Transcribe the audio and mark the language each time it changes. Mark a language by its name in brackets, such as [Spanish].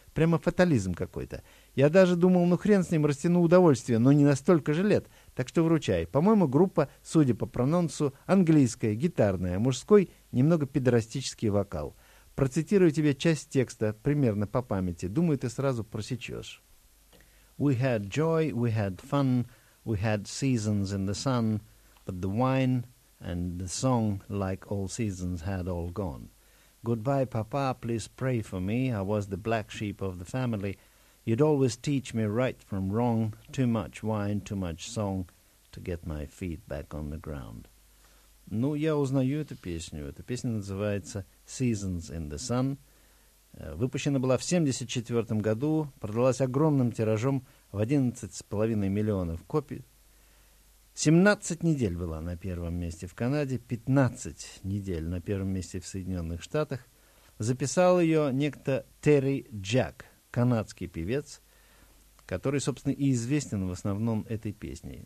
[Russian] Прямо фатализм какой-то. Я даже думал, ну хрен с ним, растяну удовольствие, но не настолько же лет. Так что вручай. По-моему, группа, судя по прононсу, английская, гитарная, мужской, немного пидорастический вокал. Процитирую тебе часть текста, примерно по памяти. Думаю, ты сразу просечешь. [English] We had joy, we had fun, we had seasons in the sun, but the wine and the song, like all seasons, had all gone. Goodbye, Papa, please pray for me. I was the black sheep of the family. You'd always teach me right from wrong, too much wine, too much song, to get my feet back on the ground. [Russian] Ну, я узнаю эту песню. Эта песня называется «Seasons in the Sun». Выпущена была в 1974 году, продалась огромным тиражом в 11,5 миллионов копий. 17 недель была на первом месте в Канаде, 15 недель на первом месте в Соединенных Штатах. Записал ее некто Терри Джак, канадский певец, который, собственно, и известен в основном этой песней.